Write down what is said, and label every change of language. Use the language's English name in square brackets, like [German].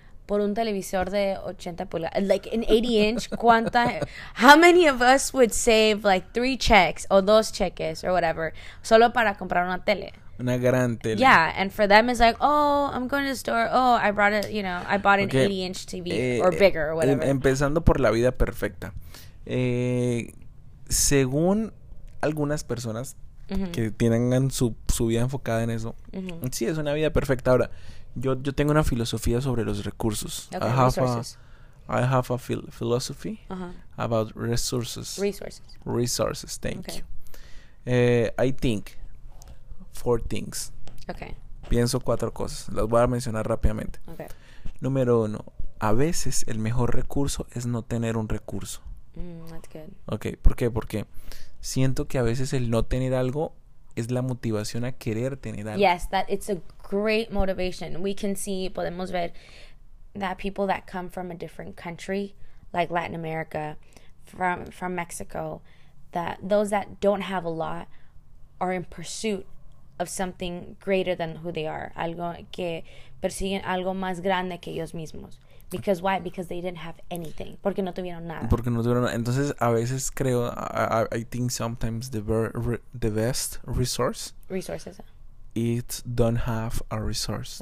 [Spanish] por un televisor de 80 pulgadas. [English] Like an 80 inch, [Spanish] ¿cuánta? [English] How many of us would save like 3 checks or 2 cheques or whatever [Spanish] solo para comprar una tele? Una gran tele. [English] Yeah, and for them it's like, oh, I'm going to the store. Oh, I brought it, you know, I bought an 80-inch TV or bigger or whatever. [Spanish] Empezando por la vida perfecta. Según algunas personas que tengan su vida enfocada en eso, sí, es una vida perfecta. Ahora, yo tengo una filosofía sobre los recursos. Okay, [English] I have resources. I have a philosophy uh-huh. about resources. Resources. Thank okay. you. I think four things. Okay. [Spanish] Pienso cuatro cosas. Las voy a mencionar rápidamente. Okay. Número uno. A veces el mejor recurso es no tener un recurso. [English] That's good. [Spanish] Okay. ¿Por qué? Porque siento que a veces el no tener algo es la motivación a querer tener algo. [English] Yes, that it's a great motivation. We can see, [Spanish] podemos ver, [English] that people that come from a different country, like Latin America, from Mexico, that those that don't have a lot are in pursuit of something greater than who they are. [Spanish] Algo que persiguen algo más grande que ellos mismos. [English] Because why? Because they didn't have anything. [Spanish] Porque no tuvieron nada. Porque no tuvieron nada. Entonces, a veces creo, [English] I think sometimes the best resource. Resources. It don't have a resource.